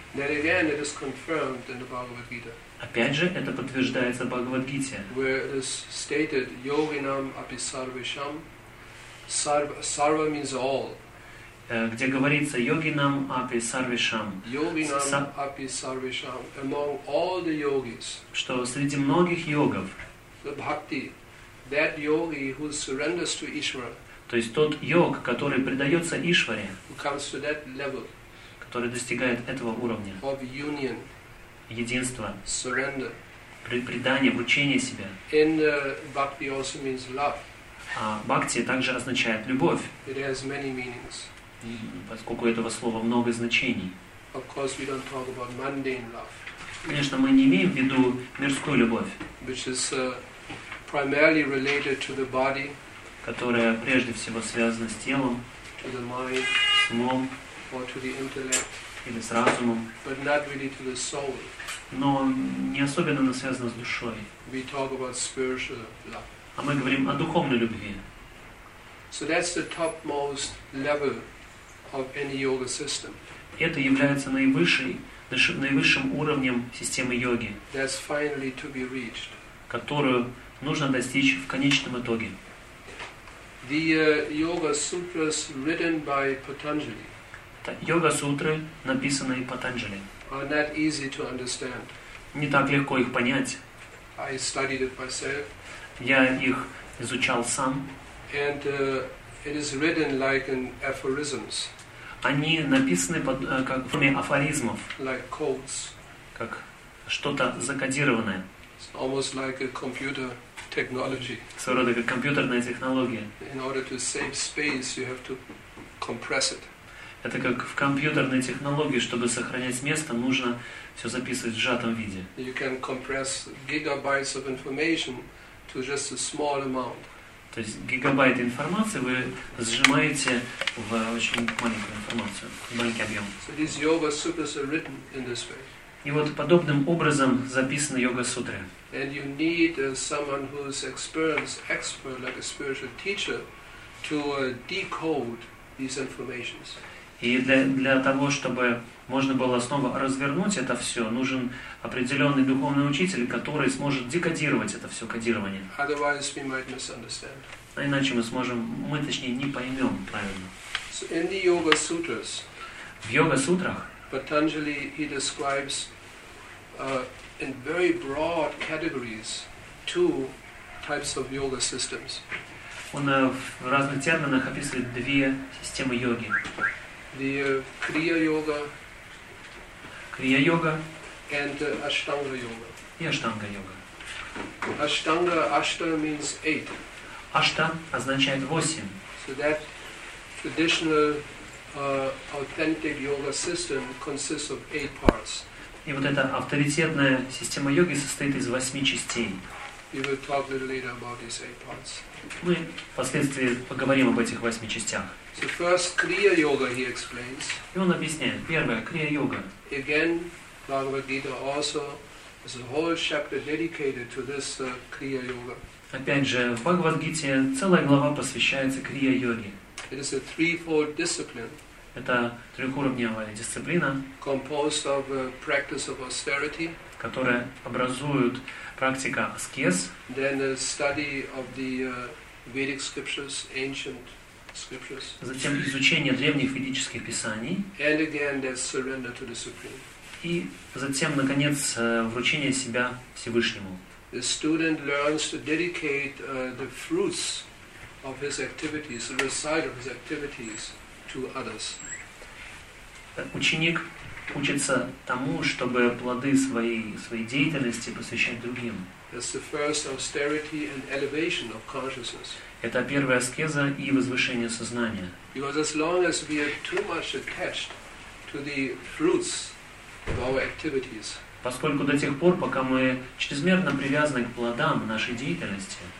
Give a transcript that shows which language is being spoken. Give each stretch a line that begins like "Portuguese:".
English: That again, it is confirmed in the Bhagavad Gita.
Russian: Опять же, это подтверждается в Бхагавад-гите.
English: Where it is stated,
Sanskrit: yoginam api sarvesham.
English: Sarva means all.
Russian: Где говорится,
Sanskrit: yoginam api sarvesham. Yoginam api sarvesham.
English: Among all the yogis.
Russian: Что среди многих йогов.
English: The bhakti. That yogi who surrenders to Ishvara.
Russian: То есть тот йог, который предается Ишваре.
English: Who comes to that level.
Russian: Который достигает этого уровня.
English: Of union.
Russian: Единство,
English: surrender.
Russian: Предание, вручение себя.
English: And bhakti also means love.
Russian: А бхакти также означает любовь.
English: It has many meanings.
Russian: Поскольку этого слова много значений.
English: Of course, we don't talk about mundane love.
Russian: Конечно, мы не имеем в виду мирскую любовь.
English: Which is primarily related to the body.
Russian: Которая прежде всего связана с телом,
English: to the mind,
Russian: с умом,
English: or to the intellect.
Russian: Или с разумом,
English: but not really to the soul.
Russian: Но не особенно она связана с душой.
English: We talk about spiritual love.
Russian: А мы говорим о духовной любви.
English: So that's the topmost level of any yoga system.
Russian: Это является наивысшим уровнем системы йоги,
English: that's finally to be reached.
Russian: Которую нужно достичь в конечном итоге.
English: The yoga sutras written by Patanjali.
Russian: Йога-сутры, написанные Патанджали.
English: Are not easy to understand.
Russian: Не так легко их понять.
English: I studied it myself.
Russian: Я их изучал сам.
English: And it is written like in aphorisms.
Russian: Они написаны как в форме афоризмов.
English: Like codes.
Russian: Как что-то закодированное.
English: It's almost like a computer technology.
Russian: Своего рода как компьютерная технология.
English: In order to save space, you have to compress it.
Russian: Это как в компьютерной технологии, чтобы сохранять место, нужно все записывать в сжатом виде.
English: You can compress gigabytes of information to just a small amount.
Russian: То есть гигабайт информации вы сжимаете в очень маленькую информацию, в маленький объем.
English: So these yoga sutras are written in this way.
Russian: И вот подобным образом записаны йога-сутры.
English: And you need someone who's experienced, expert, like a spiritual teacher, to decode these informations.
Russian: И для того, чтобы можно было снова развернуть это все, нужен определенный духовный учитель, который сможет декодировать это все кодирование.
English: Otherwise we might misunderstand.
Russian: А иначе мы точнее не поймем правильно.
English: So in the yoga sutras,
Russian: в йога-сутрах
English: Patanjali, he describes in very broad categories two types of yoga systems.
Russian: Он в разных терминах описывает две системы йоги.
English: The Kriya Yoga,
Russian: Kriya Yoga,
English: and Ashtanga Yoga.
Russian: И Ashtanga Yoga.
English: Ashtanga, Ashta means eight.
Russian: Ashta означает восемь.
English: So that traditional authentic yoga system consists of eight parts.
Russian: И вот эта авторитетная система йоги состоит из восьми частей.
English: We will talk a little later about these eight parts.
Russian: Мы впоследствии поговорим об этих восьми частях.
English: So first Kriya Yoga he explains.
Russian: И он объясняет. Первое, Kriya Yoga.
English: Again, Bhagavad Gita also has a whole chapter dedicated to this Kriya Yoga.
Russian: Опять же, в Бхагавад Гите целая глава посвящается Kriya Yoga.
English: It is a threefold discipline.
Russian: Это трехуровневая дисциплина.
English: Composed of a practice of austerity.
Russian: Которая образует практика аскез.
English: Then a study of the Vedic scriptures, ancient.
Russian: Затем изучение древних ведических писаний.
English: And again, that surrender to the Supreme.
Russian: И затем, наконец, вручение себя Всевышнему.
English: the student learns to dedicate the fruits of his activities, the result of his activities, to others.
Russian: Ученик учится тому, чтобы плоды своей деятельности посвящать другим.
English: That's the first austerity and elevation of consciousness.
Russian: Это первая аскеза и возвышение сознания.
English: Because as long as we are too much attached to the fruits of our activities.
Russian: Поскольку до тех пор, пока мы чрезмерно привязаны к плодам нашей деятельности.